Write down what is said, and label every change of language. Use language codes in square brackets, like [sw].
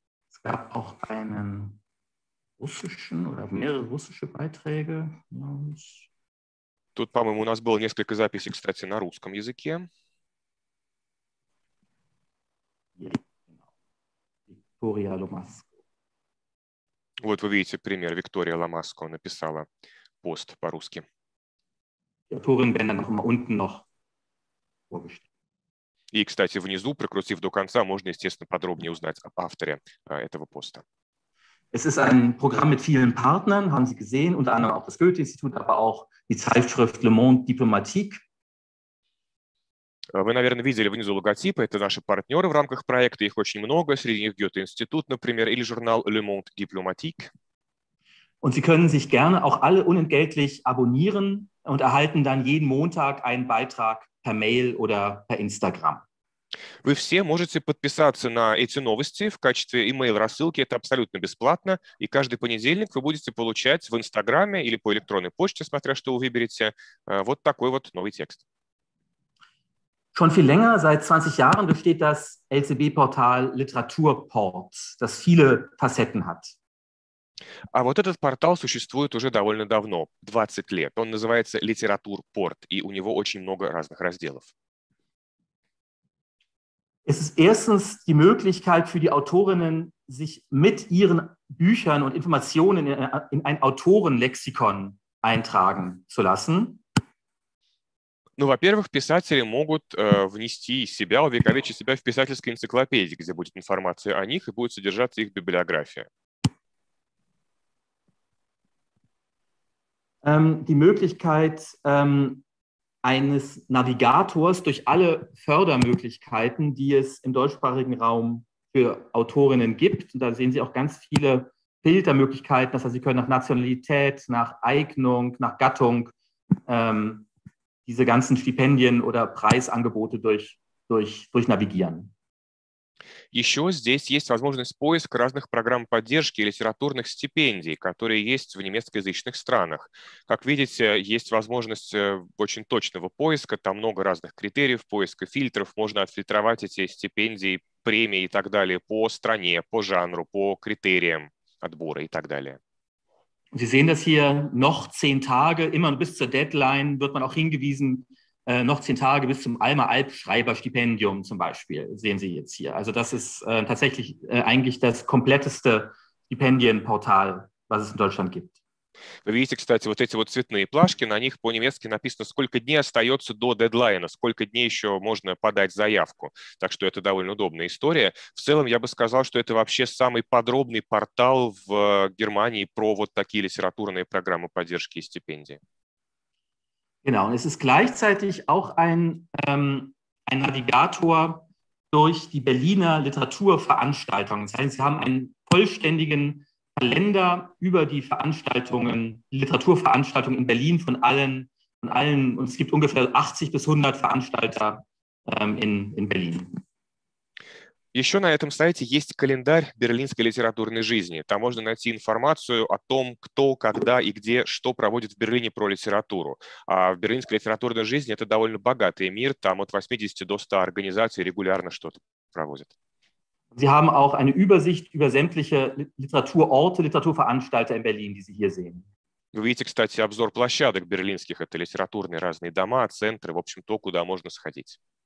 [de] Es gab auch einen russischen oder mehrere russische Beiträge. [ru] Тут, по-моему, у нас было несколько записей, кстати, на русском языке. Виктория Ломаско. Вот вы видите пример. Виктория Ломаско написала пост по-русски. Авторы [de] werden dann noch mal unten noch vorgestellt. [ru] И, кстати, внизу, прокрутив до конца, можно, естественно, подробнее узнать об авторе этого поста. [de] Es ist ein Programm mit vielen Partnern, haben Sie gesehen, unter anderem auch das Goethe-Institut, aber auch die Zeitschrift Le Monde Diplomatique. [ru] Вы, наверное, видели внизу логотипы. Это наши партнеры в рамках проекта. Их очень много. Среди них Goethe-Институт, например, или журнал Le Monde Diplomatique. [de] Und Sie können sich gerne auch alle unentgeltlich abonnieren und erhalten dann jeden Montag einen Beitrag per Mail oder per Instagram. [ru] Вы все можете подписаться на эти новости в качестве email-рассылки. Это абсолютно бесплатно. И каждый понедельник вы будете получать в Инстаграме или по электронной почте, смотря что вы выберете, вот такой вот новый текст. [de] Schon viel länger, seit 20 Jahren, besteht das LCB-Portal Literaturport, das viele Facetten hat. [ru] А вот этот портал существует уже довольно давно, 20 лет. Он называется Literaturport, и у него очень много разных разделов. [de] Es ist erstens die Möglichkeit für die Autorinnen, sich mit ihren Büchern und Informationen in ein Autorenlexikon eintragen zu lassen. [ru] Ну, во-первых, писатели могут внести себя, увековечить себя в писательской энциклопедии, где будет информация о них и будет содержаться их библиография. [de] Die Möglichkeit eines Navigators durch alle Fördermöglichkeiten, die es im deutschsprachigen Raum für Autorinnen gibt. Und da sehen Sie auch ganz viele Filtermöglichkeiten. Das heißt, Sie können nach Nationalität, nach Eignung, nach Gattung diese ganzen Stipendien oder Preisangebote durchnavigieren. [ru] Еще здесь есть возможность поиска разных программ поддержки и литературных стипендий, которые есть в немецкоязычных странах. Как видите, есть возможность очень точного поиска, там много разных критериев поиска, фильтров, можно отфильтровать эти стипендии, премии и так далее по стране, по жанру, по критериям отбора и так далее. [de] Sie sehen das hier, noch 10 Tage, immer bis zur Deadline wird man auch hingewiesen, noch 10 Tage bis zum Alma-Alp-Schreiber-Stipendium zum Beispiel, sehen Sie jetzt hier. Also das ist tatsächlich eigentlich das kompletteste Stipendienportal, was es in Deutschland gibt. [ru] Вы видите, кстати, вот эти вот цветные плашки, на них по-немецки написано, сколько дней остается до дедлайна, сколько дней еще можно подать заявку. Так что это довольно удобная история. В целом, я бы сказал, что это вообще самый подробный портал в Германии про вот такие литературные программы поддержки и стипендии. [de] Genau, und es ist gleichzeitig auch ein Navigator durch die Berliner Literaturveranstaltungen. Das heißt, Sie haben einen vollständigen Kalender über die Veranstaltungen, die Literaturveranstaltungen in Berlin von allen, und es gibt ungefähr 80 bis 100 Veranstalter in Berlin. [ru] Еще на этом сайте есть календарь берлинской литературной жизни. Там можно найти информацию о том, кто, когда и где, что проводит в Берлине про литературу. А в берлинской литературной жизни это довольно богатый мир. Там от 80 до 100 организаций регулярно что-то проводят. [de] Sie haben auch eine Übersicht über sämtliche Literaturorte, Literaturveranstalter in Berlin, die Sie hier sehen. [ru] Вы видите, кстати, обзор площадок берлинских. Это литературные разные дома, центры, в общем, то, куда можно сходить.